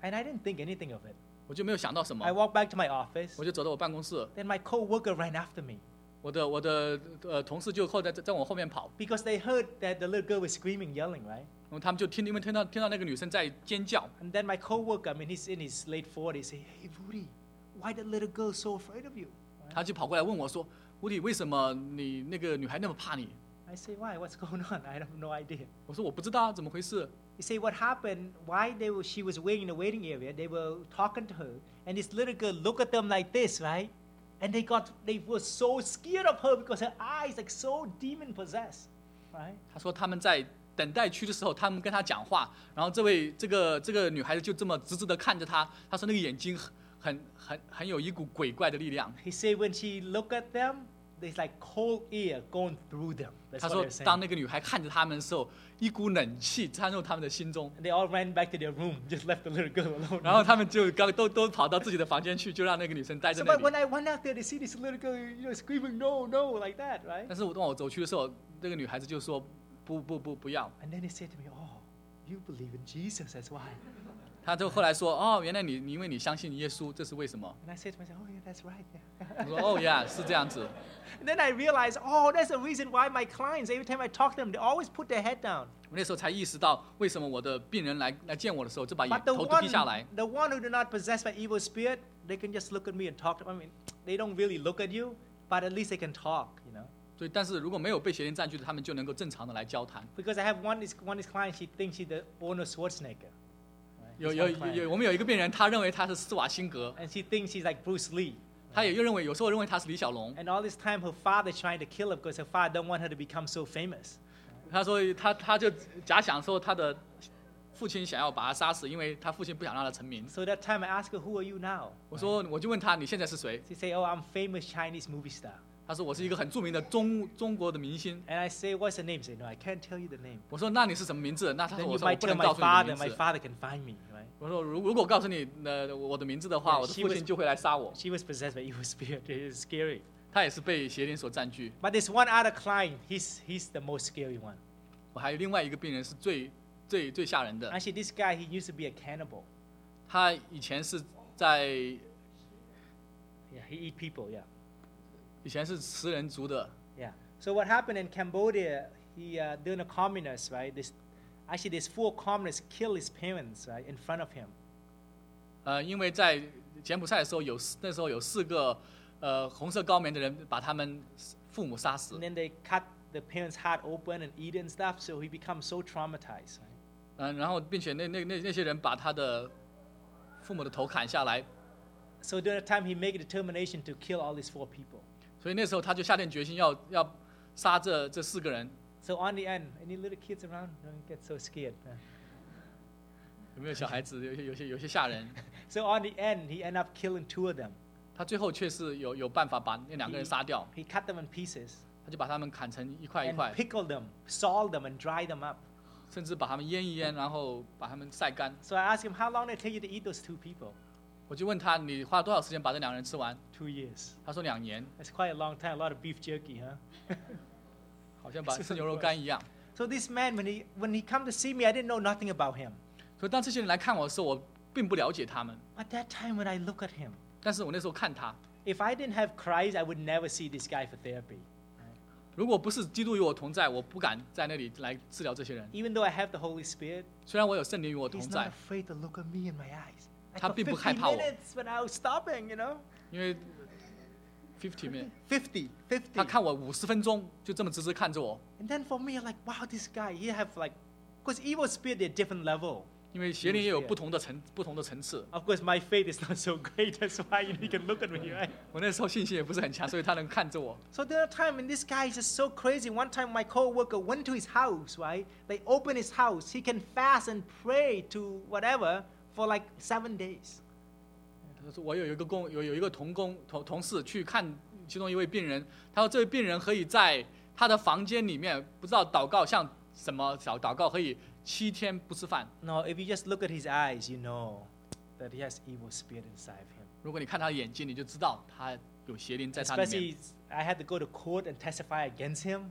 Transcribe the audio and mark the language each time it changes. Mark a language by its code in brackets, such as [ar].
[en] And I didn't think anything of it. [zh] 我就没有想到什么。 [en] I walked back to my office. [zh] 我就走到我办公室。 [en] Then my coworker ran after me. [zh] 我的同事就后在我后面跑 [en] ，because they heard that the little girl was screaming, yelling, right? [zh] 然后他们就听到那个女生在尖叫。 [en] And then my coworker, I mean, he's in his late 40s, say, "Hey, Woody, why the little girl so afraid of you?" [zh] 他就跑过来问我说 ，Woody, 为什么你那个女孩那么怕你 [en] ？I say, "Why? What's going on? I have no idea." [zh] 我说我不知道怎么回事。 [en] He say, "What happened? Why they were? She was waiting in the waiting area. They were talking to her, and this little girl looked at them like this, right?" And they were so scared of her because her eyes like so demon possessed, right? [zh] 他说他们在等待区的时候，他们跟他讲话，然后这个女孩子就这么直直的看着他。他说那个眼睛很有一股鬼怪的力量。 [en] He said when she looked at them, there's like cold air going through them. [zh] 他说当那个女孩看着他们的时候，一股冷气穿入他们的心中。 [en] And they all ran back to their room, just left the little girl alone. [zh] 然后他们就刚都跑到自己的房间去，就让那个女生待在那里。 [en] So, but when I went out there, they see this little girl, you know, screaming, "No, no," like that, right? [zh] 但是当我走去的时候，那个女孩子就说，不不不，不要。 [en] And then they said to me, "Oh, you believe in Jesus? That's why." [zh] 他就后来说，哦，原来你因为你相信耶稣，这是为什么 [en] ？And I said to myself, "Oh, yeah, that's right." [zh] 我说，哦 ， [en] Yeah, [zh] 是这样子。 [en] Then I realized, oh, that's the reason why my clients, every time I talk to them, they always put their head down. [zh] 我那时候才意识到，为什么我的病人来见我的时候，就把头低下来。 [en] But the one who do not possess my evil spirit, they can just look at me and talk. I mean, they don't really look at you, but at least they can talk, you know. [zh] 对，但是如果没有被邪灵占据的，他们就能够正常的来交谈。 [en] Because I have one client, she thinks she's the owner of Schwarzenegger. [zh] 有，我们有一个病人，他认为他是施瓦辛格。 [en] And she thinks she's like Bruce Lee. [zh] 他也认为，有时候认为他是李小龙。 [en] And all this time, her father trying to kill her because her father don't want her to become so famous. [zh] 他说他就假想说他的父亲想要把他杀死，因为他父亲不想让他成名。 [en] So that time, I ask her, "Who are you now?" [zh] 我说我就问他你现在是谁。 [en] She say, "Oh, I'm famous Chinese movie star." [zh] 他说我是一个很著名的中国的明星。 [en] And I say, "What's the name?" She say, "No, I can't tell you the name." [zh] 我说那你是什么名字？那他说我不能告诉你的名字。 [en] Then you might tell my father can find me. [zh] 我说如果告诉你我的名字的话，我的父亲就会来杀我。 [en] She was possessed by evil spirit. It is scary. [zh] 他也是被邪灵所占据。 [en] But this one other client, he's the most scary one. [zh] 我还有另外一个病人是最吓人的。 [en] Actually, this guy he used to be a cannibal. [zh] 他以前是在 [en] Yeah, he eat people. Yeah. [zh] 以前是食人族的。 [en] Yeah. So what happened in Cambodia? He during the communists, right? Actually, these four communists kill his parents, right, in front of him. [zh] 因为在柬埔寨的时候那时候有四个红色高棉的人把他们父母杀死。 [en] And then they cut the parents' heart open and eat it and stuff, so he becomes so traumatized. [zh] 然后并且那些人把他的父母的头砍下来。 [en] So during that time, he made a determination to kill all these four people. [zh] 所以那时候他就下定决心要杀这四个人。 [en] So on the end, any little kids around don't get so scared. [zh] 有没有小孩子有些吓人。 [en] So on the end, he ended up killing two of them. [zh] 他最后却是有办法把那两个人杀掉。 [en] He cut them in pieces. [zh] 他就把他们砍成一块一块。 [en] And pickled them, salted them, and dried them up. [zh] 甚至把他们腌一腌，然后把他们晒干。 [en] So I asked him, how long did it take you to eat those two people? [zh] 我就问他，你花了多少时间把这两个人吃完 [en] ？2 years. [zh] 他说两年。 [en] That's quite a long time. A lot of beef jerky, huh? [zh] 好像把吃牛肉干一样。 [en] So this man, when he come to see me, I didn't know nothing about him. [zh] 所以当这些人来看我的时候，我并不了解他们。 [en] But that time when I look at him, [zh] 但是我那时候看他。 [en] If I didn't have Christ, I would never see this guy for therapy. [zh] 如果不是基督与我同在，我不敢在那里来治疗这些人。 [en] Even though I have the Holy Spirit, [zh] 虽然我有圣灵与我同在。 [en] He's not afraid to look at me in my eyes. [zh] 他并不害怕我。 [en] Like for 50 minutes when I was stopping, you know. [zh] 因为 [en] 50 minutes. 50. [zh] 他看我五十分钟，就这么直直看着我。 [en] And then for me, like, wow, this guy, he have like, because evil spirit, they're different level. [zh] 因为邪灵也有不同的层次。 [en] Of course, my faith is not so great, that's why you can look at me, right? [zh] 我那时候信心也不是很强，所以他能看着我。 [en] So there are times when this guy is just so crazy. One time, my coworker went to his house, right? They open his house. He can fast and pray to whatever for like 7 days. [zh] 我有一个工，有一个同工同事去看其中一位病人，他说这位病人可以在他的房间里面不知道祷告像什么小祷告，可以7天不吃饭。 [en] No, if you just look at his eyes, you know that he has evil spirit inside of him. [zh] 如果你看他的眼睛，你就知道他有邪灵在他里面。 [en] Especially, I had to go to court and testify against him.